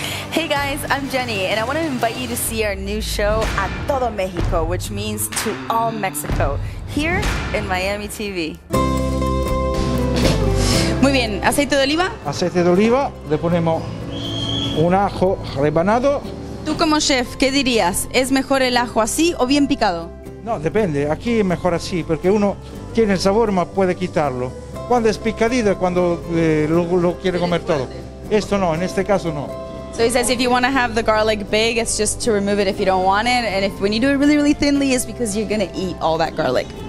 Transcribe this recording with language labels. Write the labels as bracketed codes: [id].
[en] Hey guys, I'm Jenny and I want to invite you to see our new show A Todo México, which means to all Mexico, here in Miami TV. [es] Muy bien, aceite de oliva. Aceite de oliva, le ponemos un ajo rebanado. Tú como chef, ¿qué dirías? ¿Es mejor el ajo así o bien picado? No, depende, aquí es mejor así porque uno tiene el sabor más puede quitarlo. Cuando es picadito, cuando lo quiere comer todo. Esto no, en este caso no. [en] So he says if you want to have the garlic big, it's just to remove it if you don't want it. And if when you do it really, really thinly, it's because you're going to eat all that garlic.